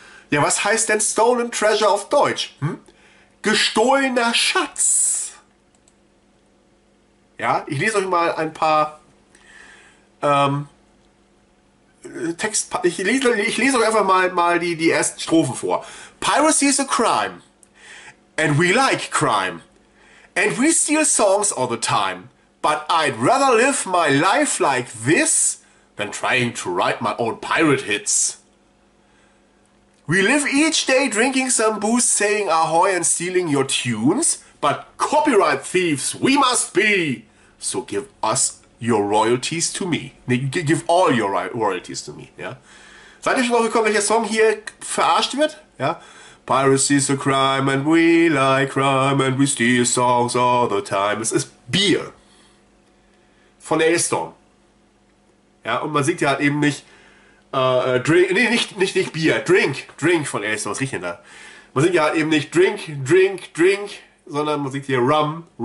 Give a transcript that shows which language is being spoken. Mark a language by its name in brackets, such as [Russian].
[German] Ja, was heißt denn Stolen Treasure auf Deutsch? Gestohlener Schatz. Ja, ich lese euch mal ein paar Text. Ich lese euch einfach mal die ersten Strophen vor. [English] Piracy is a crime. And we like crime. And we steal songs all the time. But I'd rather live my life like this than trying to write my own pirate hits. We live each day drinking some booze, saying ahoy and stealing your tunes. But copyright thieves we must be. So give us your royalties to me. Nee, give all your royalties to me. [German] Ja? Seid ihr schon drauf gekommen, welcher Song hier verarscht wird? Ja? [English] Piracy is a crime and we like crime and we steal songs all the time. [German] Es ist Beer. Von A-Storm. Ja, und man sieht ja halt eben nicht drink, nee, nicht Bier, drink von A-Storm. Was riecht denn da? Man sieht ja halt eben nicht drink, sondern man sieht hier rum.